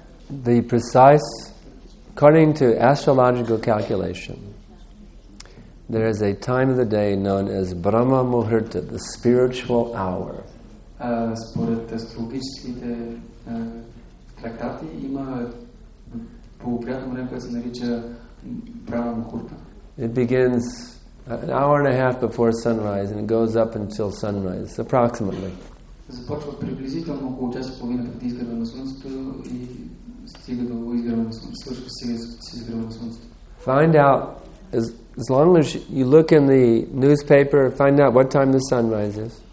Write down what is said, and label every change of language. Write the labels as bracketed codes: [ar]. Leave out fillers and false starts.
[en] The precise, according to astrological calculation, there is a time of the day known as Brahma Muhurta, the spiritual hour. [bg] Според астрологическите трактати има по-приятно време, което се нарича Брахма Мухурта. [en] It begins an hour and a half before sunrise and it goes up until sunrise, approximately. [bg] Започва приблизително около час и половина преди изгрева на слънцето и стига до изгрева на слънцето, свършва стига с изгрева на слънцето. [en] Find out, as long as you look in the newspaper, find out what time the sun rises.